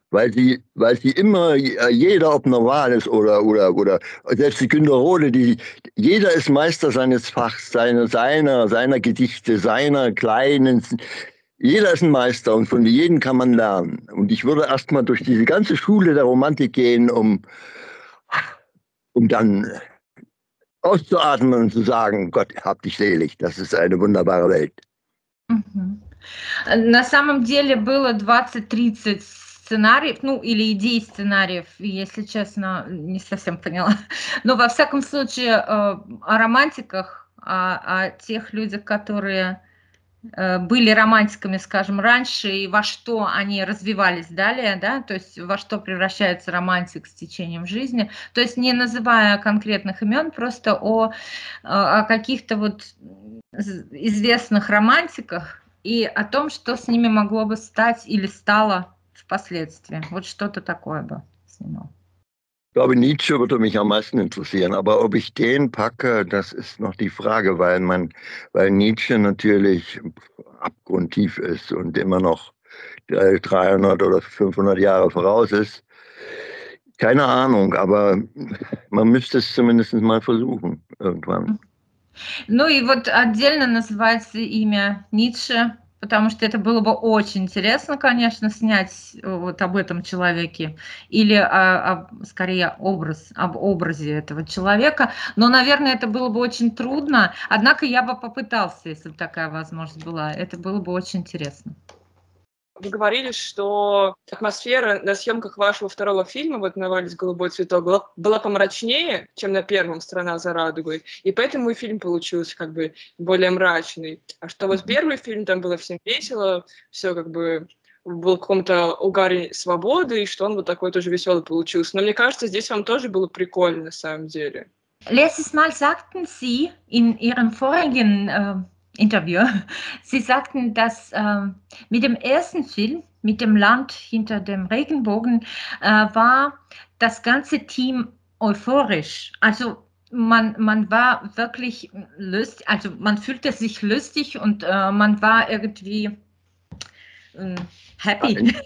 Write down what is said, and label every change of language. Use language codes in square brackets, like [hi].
[de] Weil sie immer, jeder, ob Novalis oder selbst die Günter Rohde, jeder ist Meister seines Fachs, seiner Gedichte, seiner kleinen. Jeder ist ein Meister und von jedem kann man lernen. Und ich würde erstmal durch diese ganze Schule der Romantik gehen, um dann auszuatmen und zu sagen, Gott, hab dich selig, das ist eine wunderbare Welt. [ru] На самом деле было 20-30 сценариев, ну, или идей сценариев, если честно, не совсем поняла. Но во всяком случае, о романтиках, о тех людях, которые были романтиками, скажем, раньше, и во что они развивались далее, да, то есть во что превращается романтик с течением жизни, то есть не называя конкретных имен, просто о каких-то вот известных романтиках и о том, что с ними могло бы стать или стало впоследствии. Вот что-то такое бы снимал. [de] Ich glaube, Nietzsche würde mich am meisten interessieren, aber ob ich den packe, das ist noch die Frage, weil Nietzsche natürlich abgrundtief ist und immer noch 300 oder 500 Jahre voraus ist. Keine Ahnung, aber man müsste es zumindest mal versuchen, irgendwann. [ru] Ну и вот отдельно называется имя Nietzsche, потому что это было бы очень интересно, конечно, снять вот об этом человеке, или скорее образ, об образе этого человека, но, наверное, это было бы очень трудно, однако я бы попытался, если бы такая возможность была, это было бы очень интересно. Вы говорили, что атмосфера на съемках вашего второго фильма, вот «Навалис голубой цветок», была помрачнее, чем на первом «Страна за радугой», и поэтому и фильм получился как бы более мрачный. А что вот первый фильм, там было всем весело, все как бы был в каком-то угаре свободы, и что он вот такой тоже веселый получился. Но мне кажется, здесь вам тоже было прикольно, на самом деле. [de] Letztes Mal sagten Sie in Ihrem vorigen Interview. Sie sagten, dass mit dem ersten Film, mit dem Land hinter dem Regenbogen, war das ganze Team euphorisch. Also man war wirklich lustig, also man fühlte sich lustig und man war irgendwie happy.